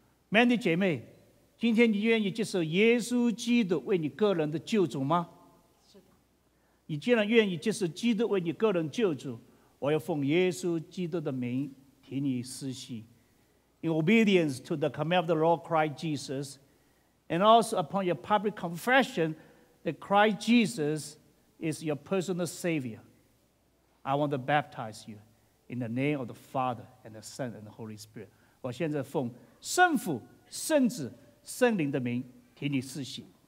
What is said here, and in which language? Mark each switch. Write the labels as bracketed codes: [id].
[zh] Mandy 姐妹，今天你愿意接受耶稣基督为你个人的救主吗？是的。你既然愿意接受基督为你个人救主，我要奉耶稣基督的名替你施洗。 [en] In obedience to the command of the Lord Christ Jesus, and also upon your public confession that Christ Jesus is your personal Savior, I want to baptize you in the name of the Father and the Son and the Holy Spirit. [zh] 我现在奉圣父、圣子、圣灵的名替你施洗。